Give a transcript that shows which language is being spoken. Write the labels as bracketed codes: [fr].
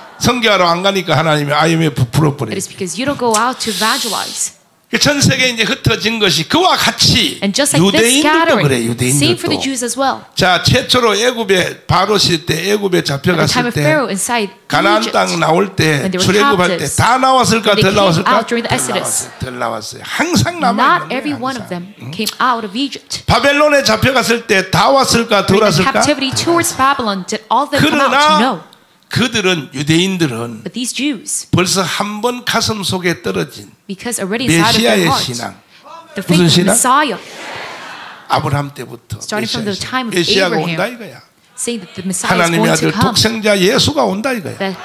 [ko] 선교하러 안 가니까 하나님이 IMF 풀어버려. [en] It is because you don't go out to evangelize. [ko] 전 세계 이제 흩어진 것이 그와 같이 유대인들도 그래. 유대인들도. [en] Same for the Jews as well. [ko] 자, 최초로 애굽에 바로 시 때 애굽에 잡혀갔을 때, 가나안 땅 나올 때, 출애굽할 때 다 나왔을까? 덜 나왔을까? 덜 나왔어요. 항상 남아. [en] Not every one of them came out of Egypt. [ko] 바벨론에 잡혀갔을 때 다 왔을까? 덜 왔을까? [en] Captivity towards Babylon did all them come out? No. [ko] 그들은 유대인들은 벌써 한 번 가슴 속에 떨어진 메시아의 신앙, 무슨 신앙? 아브라함 때부터 메시아가 온다 이거야. 하나님의 아들 독생자 예수가 온다 이거야.